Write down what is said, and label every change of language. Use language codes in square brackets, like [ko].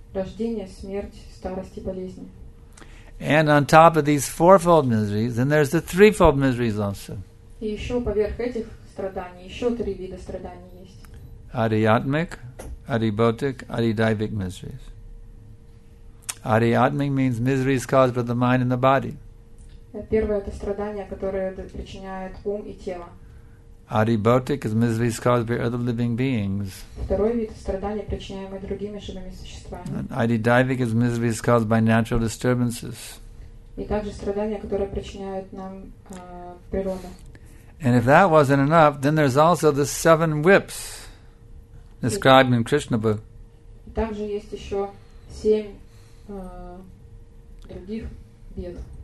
[ru] Рождение, смерть, старость и болезни. [en] And on top of these fourfold miseries, then there's the threefold miseries also. [ru] И еще поверх этих страданий, еще три вида страданий есть. [en] Adiatmic, adibhautic, adidaivic miseries. Adiatmic means miseries caused by the mind and the body. [ru] Первое это страдания, которые причиняют ум и тело. [en] Adibhautic is miseries caused by other living beings. [ru] Второй вид страдания, причиняемые другими живыми существами. [en] Adidaivic is miseries caused by natural disturbances. [ru] И также страдания, которые причиняют нам природа. [en] And if that wasn't enough, then there's also the seven whips described in Krishna book. [ru] Также есть еще семь других бед.